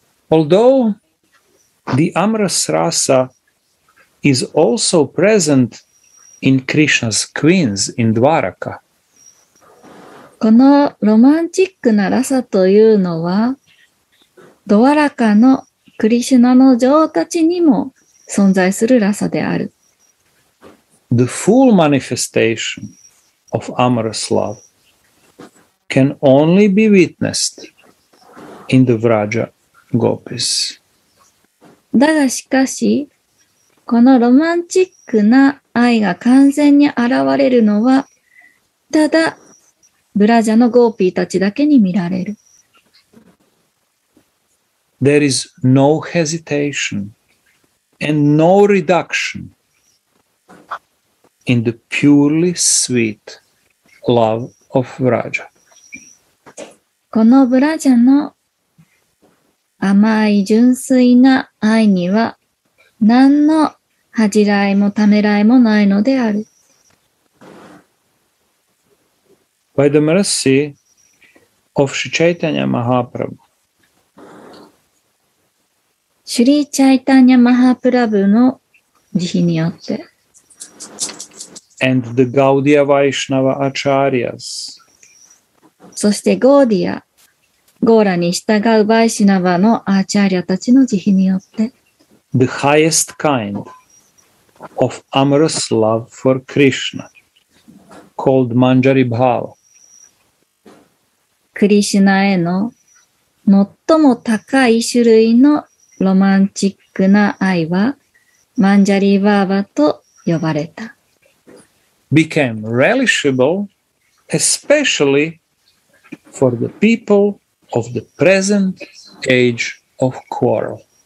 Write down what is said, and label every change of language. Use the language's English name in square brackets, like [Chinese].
[English] Although the Amrasrasa is also present in Krishna's queens in Dwaraka. [Japanese] このロマンチックなラサというのは、ドワラカのクリシュナの女王たちにも存在するラサである。 [English] The full manifestation of amorous love can only be witnessed in the Vraja Gopis. [Japanese] だがしかし、このロマンチックな愛が完全に現れるのは、ただ、ブラジャのゴーピーたちだけに見られる。 [English] There is no hesitation and no reduction in the purely sweet love of Vraja. [Japanese] このブラジャの甘い純粋な愛には何の恥じらいもためらいもないのである。 [English] By the mercy of Sri Chaitanya Mahaprabhu. [Japanese] Sri Chaitanya Mahaprabhu の慈悲によって。 [English] And the Gaudiya Vaishnava Acharyas. [Japanese] そして Gaudiya、ゴーラに従うバイシナバのアーチャーリアたちの慈悲によって。 [English] The highest kind of amorous love for Krishna, called Manjari Bhava. [Japanese] クリシュナへの最も高い種類のロマンチックな愛はマンジャリーバーバと呼ばれた。 [English] Became relishable especially for the people of the present age of quarrel.